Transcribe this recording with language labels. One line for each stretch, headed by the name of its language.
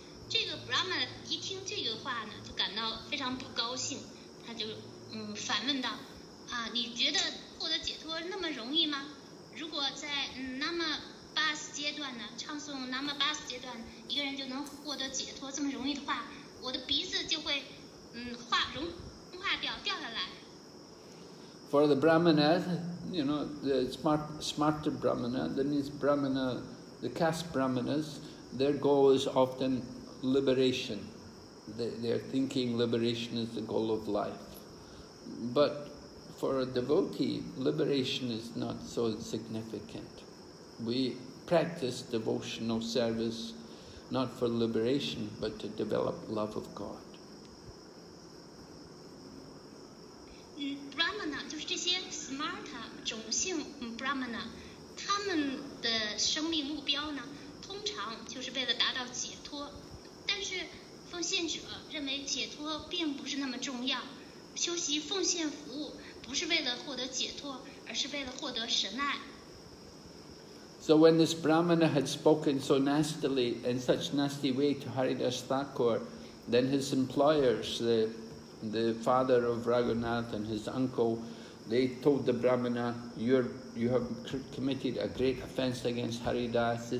Chinese: 这个 Brahma 一听这个话呢，就感到非常不高兴，他就反问道，你觉得获得解脱那么容易吗？如果在那么巴斯阶段呢，唱诵那么巴斯阶段，一个人就能获得解脱这么容易的话，我的鼻子就会融化掉，掉下来。
English: For the Brahmanas, you know, the smarter Brahmana, that means Brahmana, the caste Brahmanas, their goal is often liberation. They are thinking liberation is the goal of life. But for a devotee, liberation is not so significant. We practice devotional service not for liberation, but to develop love of God.
Chinese: Brahmana 就是这些 smart 种姓 Brahmana， 他们的生命目标呢，通常就是为了达到解脱。但是奉献者认为解脱并不是那么重要，修习奉献服务不是为了获得解脱，而是为了获得神爱。
English: So when this Brahmana had spoken so nastily in such nasty way to Haridas Thakur, then his employers, the father of Raghunath and his uncle, they told the Brahmana, you have committed a great offense against Haridas.